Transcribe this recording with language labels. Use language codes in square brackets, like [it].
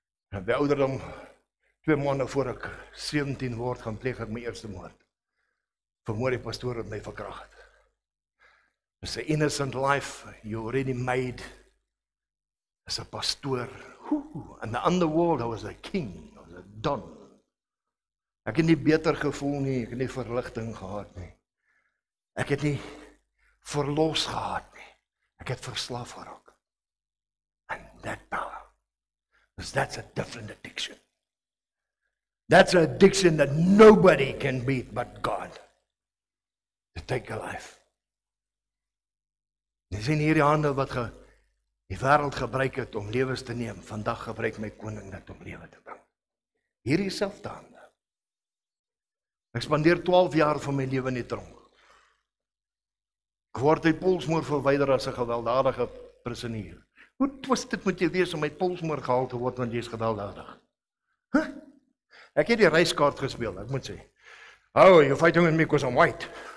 [af] En by ouderdom, 2 maande voor ek 17 word, gaan pleeg ek my eerste moord. Vermoor die pastoor wat my verkracht het. [en] It's an innocent life you already made as a pastoor. In the underworld, I was a king, I was a don. [af] Ek het nie beter gevoel nie, ek het nie verligting gehad nie. Ek het nie verlos gehad nie. Ek het verslaaf geraak. [en] And that power. Because that's a different addiction. That's an addiction that nobody can beat but God. To take a life. [af] Jy sien hierdie hande wat die wêreld gebruik het om lewens te neem. Vandag gebruik my koning dit om lewe te bring. Hierdie selfde hande. Ek spandeer 12 jaar van my lewe in die tronk. Ek word uit polsmoor verwyder as 'n gewelddadige prisonier. Hoe twisted moet jy wees om uit polsmoor gehaal te word want jy is gewelddadig? Huh? Ek het die reiskaart gespeel, ek moet sê. [en] Oh, you're fighting with me because I'm white.